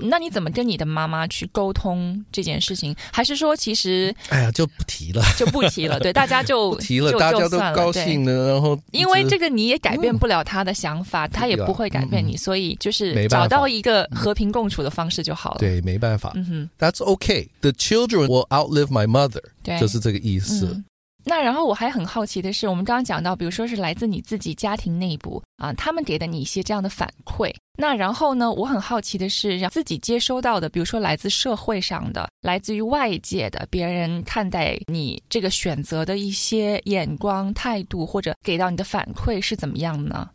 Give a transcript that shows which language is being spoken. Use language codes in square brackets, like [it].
[zh] 那你怎么跟你的妈妈去沟通这件事情还是说其实哎呀就不提了就不提了对大家就不提了大家都高兴了然后因为这个你也改变不了他的想法、嗯、他也不会改变你、嗯、所以就是找到一个和平共处的方式就好了对没办法、嗯、哼 [en] That's okay The children will outlive my mother [zh] 对就是这个意思、嗯、那然后我还很好奇的是我们刚刚讲到比如说是来自你自己家庭内部啊，他们给的你一些这样的反馈那然后呢我很好奇的是让自己接收到的比如说来自社会上的来自于外界的别人看待你这个选择的一些眼光态度或者给到你的反馈是怎么样呢